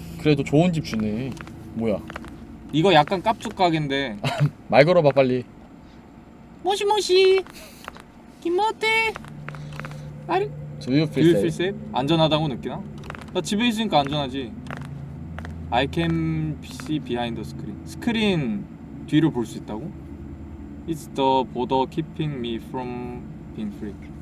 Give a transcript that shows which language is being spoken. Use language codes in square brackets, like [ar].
[ko] 그래도 좋은 집 주네. 뭐야 이거 약간 깝죽 가게인데. 말 걸어봐 빨리. 모시 김모테 아리 [en] Do you feel safe? [ko] 안전하다고 느끼나? 나 집에 있으니까 안전하지. [en] I can see behind the screen. [ko] 스크린 뒤로 볼 수 있다고? [en] It's the border keeping me from being free.